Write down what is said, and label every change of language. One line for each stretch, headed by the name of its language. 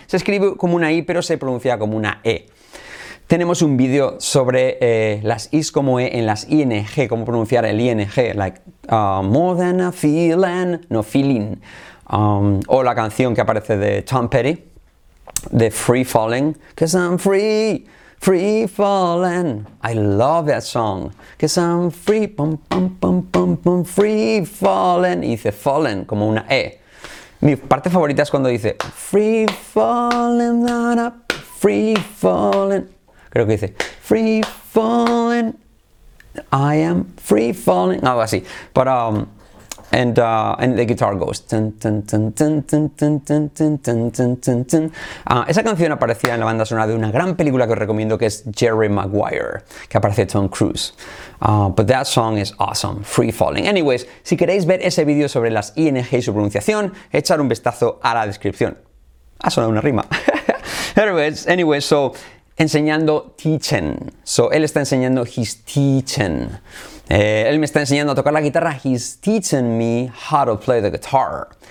Spanish: Se escribe como una I, pero se pronuncia como una E. Tenemos un vídeo sobre las I's como E en las ING, cómo pronunciar el ING,
English: like more than a feeling, no feeling.
Spanish: O la canción que aparece de Tom Petty.
English: The Free Falling, cause I'm free, free falling. I love that song, cause I'm free, pum, pum, pum, pum, pum, free falling.
Spanish: Y dice fallen, como una E. Mi parte favorita es cuando dice
English: free falling, not up, free falling.
Spanish: Creo que dice
English: free falling, I am free falling.
Spanish: Algo así.
English: But, and the guitar goes.
Spanish: Esa canción aparecía en la banda sonora de una gran película que os recomiendo, que es Jerry Maguire, que aparece Tom Cruise.
English: But that song is awesome, Free Falling.
Spanish: Anyways, si queréis ver ese vídeo sobre las ING y su pronunciación, echar un vistazo a la descripción. Ha sonado una rima.
English: Anyways, so,
Spanish: enseñando
English: teaching.
Spanish: So, él está enseñando
English: his teaching.
Spanish: Él me está enseñando a tocar la guitarra.
English: He's teaching me how to play the guitar.